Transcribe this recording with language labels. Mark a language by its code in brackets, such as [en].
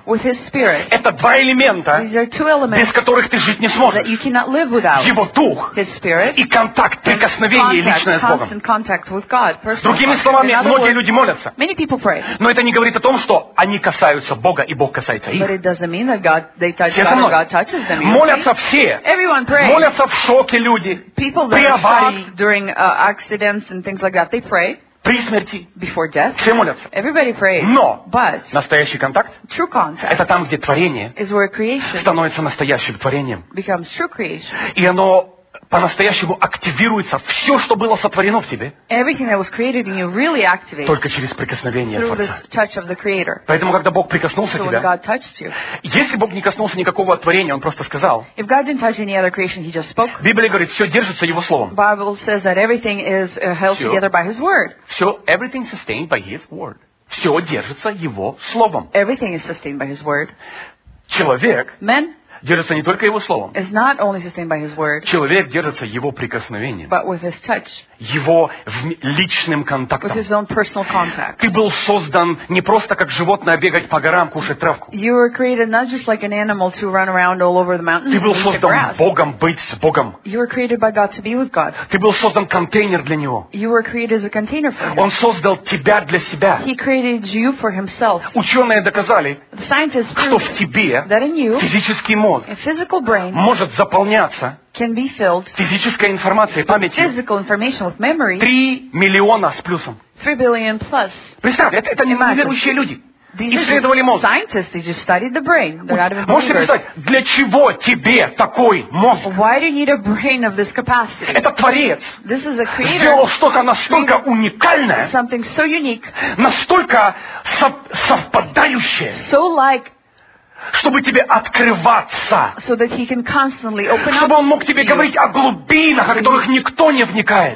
[en] With his spirit. [ru] Это два элемента, [en] These are two elements, [ru] без которых ты жить не сможешь. [en] That you cannot live without. [ru] Его дух [en] his spirit, [ru] и контакт, прикосновение [en] contact, [ru] личное с Богом. [en] Contact with God, personal [ru] Другими словами, многие words, люди молятся. [en] Many people pray. [ru] Но это не говорит о том, что они касаются Бога, и Бог касается их. [en] But it doesn't mean that God, they touch God, and God touches them. [ru] Молятся все. [en] Everyone prays. [ru] Молятся в шоке люди. [en] People that are shocked during accidents and things like that, they pray. [ru] При смерти. [en] Before death. [ru] Все молятся. [en] Everybody prays. [ru] Но [en] But [ru] настоящий контакт [en] true contact [ru] это там, где творение [en] is where creation [ru] становится настоящим творением. [en] Becomes true creation. [ru] И оно по-настоящему активируется все, что было сотворено в тебе. [en] Everything that was created in you really activates [ru] только через прикосновение [en] through [ru] Творца. [en] This touch of the creator. [ru] Поэтому, когда Бог прикоснулся [en] so [ru] тебя, [en] when God touched you, [ru] если Бог не коснулся никакого творения, Он просто сказал, [en] if God didn't touch any other creation, He just spoke. [ru] Библия говорит, все держится Его словом. [en] Bible says that everything is held все, together by His word. Все, everything sustained by His word. [ru] Все держится Его словом. [en] Everything is sustained by His word. [ru] Человек [en] Men, [ru] держится не только Его Словом. Человек держится Его прикосновением. [en] But with his touch. [ru] Его личным контактом. [en] With his own personal contact. [ru] Ты был создан не просто как животное бегать по горам, кушать травку. [en] You were created not just like an animal to run around all over the mountains. [ru] Ты был создан Богом быть с Богом. [en] You were created by God to be with God. [ru] Ты был создан контейнер для Него. [en] You were created as a container for him. [ru] Он создал тебя для себя. [en] He created you for himself. [ru] Ученые доказали, [en] the scientists proved [ru] что в тебе [en] that in you, [ru] физический мозг [en] A physical brain [ru] может заполняться [en] can be filled [ru] физической информацией, памятью [en] physical information with memory [ru] 3 миллиона с плюсом. [en] 3 billion plus. [ru] Представь, это не верующие люди. [en] These [ru] исследовали мозг. [en] Scientists, they just studied the brain. They're not even believers. [ru] Можешь представить, для чего тебе такой мозг? [en] Why do you need a brain of this capacity? [ru] Это творец. [en] This is a creator. [ru] Сделал что-то настолько уникальное, [en] something so unique, [ru] настолько совпадающее, [en] so like [ru] чтобы тебе открываться, [en] so that he can constantly open up [ru] чтобы он мог тебе говорить о глубинах, о которых никто не вникает.